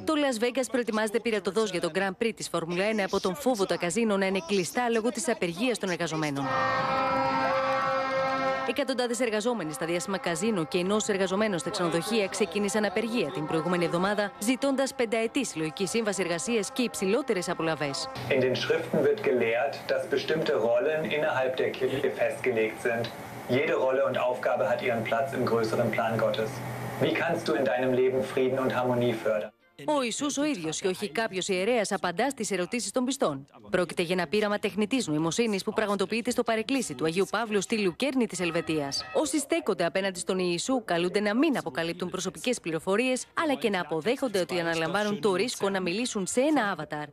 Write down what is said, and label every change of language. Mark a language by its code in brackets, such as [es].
[el] Το Las Vegas προετοιμάζεται πυρετωδώς για το Grand Prix της Formula 1 από τον φόβο τα καζίνο να είναι κλειστά λόγω της απεργίας των εργαζομένων. Εκατοντάδες εργαζόμενοι στα διάσημα καζίνο και ενός εργαζομένος στα ξενοδοχεία ξεκίνησαν απεργία την προηγούμενη εβδομάδα, ζητώντας πενταετή συλλογική σύμβαση εργασίας και υψηλότερες απολαβές. [de] In den Schriften wird gelehrt, dass bestimmte Rollen innerhalb der Kirche festgelegt sind. Jede Rolle und Aufgabe hat ihren Platz im größeren Plan Gottes. Wie kannst du in deinem Leben Frieden und Harmonie fördern? [el] Ο Ιησούς ο ίδιος και όχι κάποιος ιερέας απαντά στις ερωτήσεις των πιστών. Πρόκειται για ένα πείραμα τεχνητής νοημοσύνης που πραγματοποιείται στο παρεκκλήσι του Αγίου Παύλου στη Λουκέρνη της Ελβετίας. Όσοι στέκονται απέναντι στον Ιησού καλούνται να μην αποκαλύπτουν προσωπικές πληροφορίες, αλλά και να αποδέχονται ότι αναλαμβάνουν το ρίσκο να μιλήσουν σε ένα avatar.